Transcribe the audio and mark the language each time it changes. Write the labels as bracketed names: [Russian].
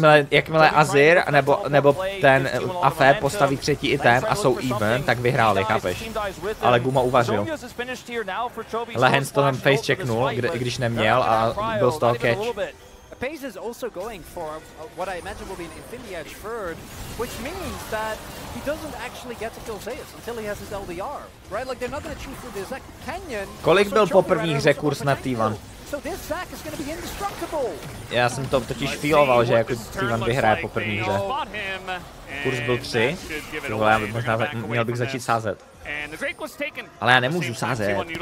[Czech] Jakmile Azir nebo ten Afe postaví třetí item a jsou even, tak vyhráli, chápeš? Ale Guma uvařil. Lehens to tam face checknul, když neměl a byl z toho catch. [English] Pace is also going for what I imagine will be an Infinity Edge third, which means that he doesn't actually get to kill Zeus until he has his LDR, right? Like they're not going to choose for this Zac Canyon. [Czech] Kolik byl po prvních hře kurz na T1? [English] So this Zac is going to be indestructible. [Czech] Já jsem to totiž feeloval, že jako T1 vyhraje po prvních hře. Kurz byl 3. Tohle možná měl bych začít sázet. Ale já nemůžu sázet.